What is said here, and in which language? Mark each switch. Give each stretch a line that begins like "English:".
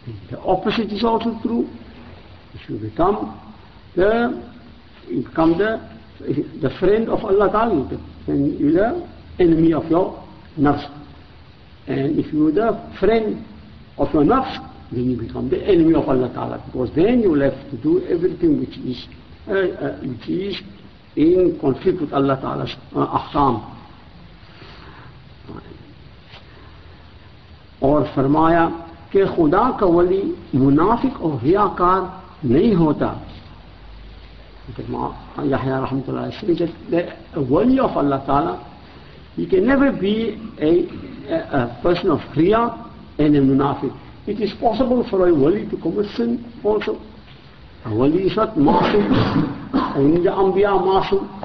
English: The opposite is also true. If you become the friend of Allah Ta'ala, then you're the enemy of your nafs. And if you're the friend of your nafs, then you become the enemy of Allah Ta'ala. Because then you will have to do everything which is in conflict with Allah Ta'ala's ahkam.
Urdu: اور فرمایا کہ خدا کا ولی منافق اور ریاکار نہیں ہوتا.
English: یحییٰ رحمۃ اللہ علیہ وسلم said, the ولی of اللہ تعالیٰ, he can never be a person of ریا and a منافق. It is possible for a ولی to commit sin also. A ولی is not معصوم. Only the انبیاء معصوم.